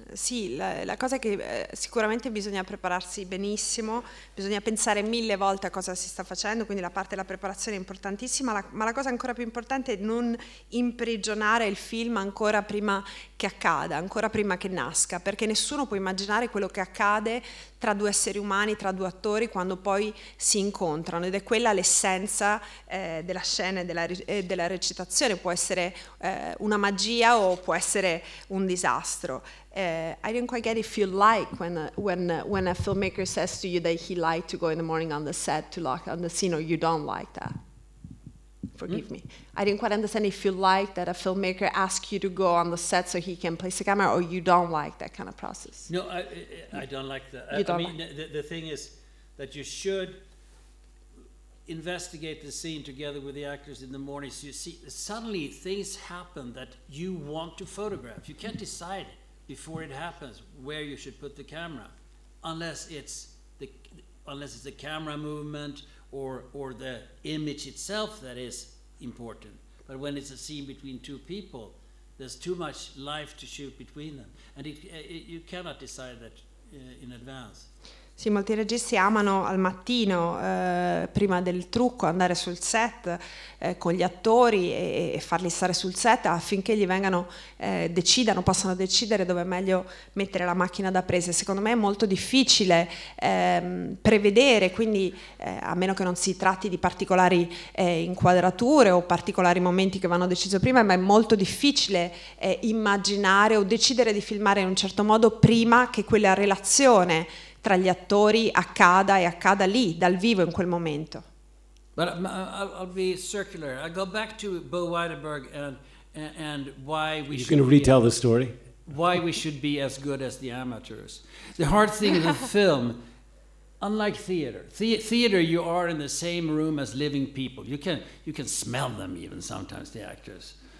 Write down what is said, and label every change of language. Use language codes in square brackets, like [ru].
[it] Sì, la cosa è che sicuramente bisogna prepararsi benissimo, bisogna pensare mille volte a cosa si sta facendo, quindi la parte della preparazione è importantissima, ma la cosa ancora più importante è non imprigionare il film ancora prima che accada, ancora prima che nasca, perché nessuno può immaginare quello che accade tra due esseri umani, tra due attori, quando poi si incontrano, ed è quella l'essenza della scena e della recitazione, può essere una magia o può essere un disastro. [en] I didn't quite get if you like when a filmmaker says to you that he liked to go in the morning on the set to lock on the scene, or you don't like that. Forgive me. I didn't quite understand if you like that a filmmaker asks you to go on the set so he can place the camera, or you don't like that kind of process. No, I don't like that. The thing is that you should investigate the scene together with the actors in the morning, so you see suddenly things happen that you want to photograph. You can't decide before it happens where you should put the camera, unless it's the camera movement or the image itself that is important. But when it's a scene between two people, there's too much life to shoot between them, and it you cannot decide that in advance. [it] Sì, molti registi amano al mattino, prima del trucco, andare sul set con gli attori e farli stare sul set affinché gli vengano, decidano, possano decidere dove è meglio mettere la macchina da presa. Secondo me è molto difficile prevedere, quindi a meno che non si tratti di particolari inquadrature o particolari momenti che vanno deciso prima, ma è molto difficile immaginare o decidere di filmare in un certo modo prima che quella relazione tra gli attori accada e accada lì dal vivo in quel momento. [en] But I'll be circular. I go back to Bo Widerberg and why we should retell the story. Why we should be as good as the amateurs. The hard thing in film, unlike theater. Theater, you are in the same room as living people. You can smell them even sometimes, the actors.